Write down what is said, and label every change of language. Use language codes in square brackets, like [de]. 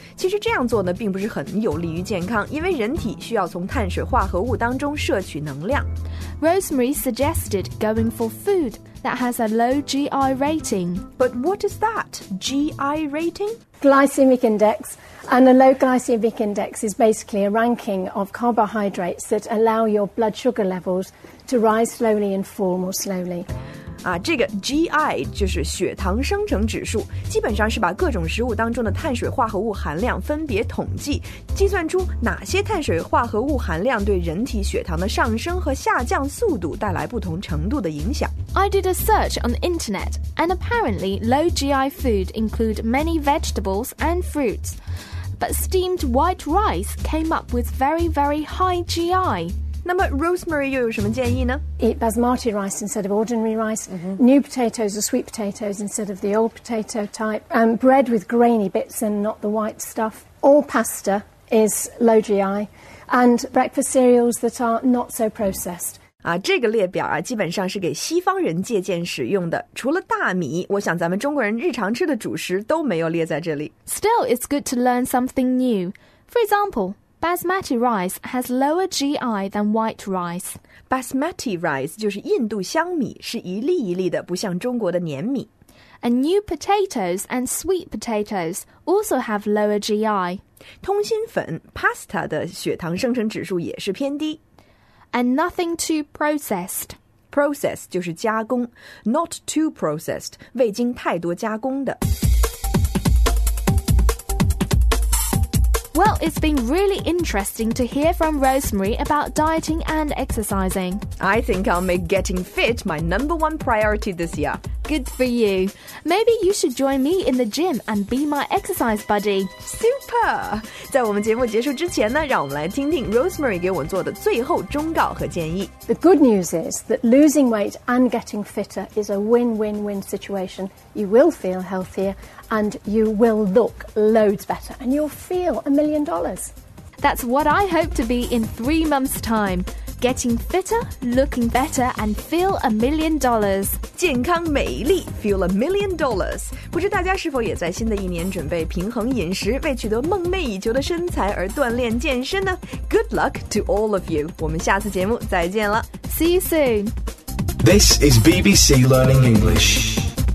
[zh] 其实这样做呢，并不是很有利于健康，因为人体需要从碳水化合物当中摄取能量。 [en] Rosemary suggested going for food that has a low GI rating. But what is that? GI rating? Glycemic index. And a low glycemic index is basically a ranking of carbohydrates that allow your blood sugar levels to rise slowly and fall more slowly. [zh] 这个 GI 就是血糖生成指数，基本上是把各种食物当中的碳水化合物含量分别统计，计算出哪些碳水化合物含量对人体血糖的上升和下降速度带来不同程度的影响。 [en] I did a search on the internet, and apparently low GI food include many vegetables and fruits, but steamed white rice came up with very, very high GI. [zh] 那么 Rosemary 又有什么建议呢 [en] Eat basmati rice instead of ordinary rice,、mm-hmm. new potatoes or sweet potatoes instead of the old potato type,、bread with grainy bits and not the white stuff. All pasta is low GI and breakfast cereals that are not so processed. [zh] 这个列表基本上是给西方人借鉴使用的。除了大米，我想咱们中国人日常吃的主食都没有列在这里。 [en] Still, it's good to learn something new. For example,Basmati rice has lower GI than white rice. [zh] Basmati rice 就是印度香米，是一粒一粒的，不像中国的黏米。 [en] And new potatoes and sweet potatoes also have lower GI. [zh] 通心粉 pasta 的血糖生成指数也是偏低。 [en] And nothing too processed. [zh] Process 就是加工 ， [en] not too processed， [zh] 未经太多加工的。 [en] Well, it's been really interesting to hear from Rosemary about dieting and exercising. I think I'll make getting fit my number one priority this year. Good for you. Maybe you should join me in the gym and be my exercise buddy. Super! [zh] 在我们节目结束之前呢，让我们来听听 Rosemary 给我做的最后忠告和建议。 [en] The good news is that losing weight and getting fitter is a win-win-win situation. You will feel healthier. And you will look loads better, and you'll feel $1 million. That's what I hope to be in 3 months' time. Getting fitter, looking better, and feel $1 million. [zh] 健康美丽 [en] feel $1 million. [zh] 不知大家是否也在新的一年准备平衡饮食，为取得梦寐以求的身材而锻炼健身呢 ？ [en] Good luck to all of you. [zh] 我们下次节目再见了。 [en] See you soon. This is BBC Learning English.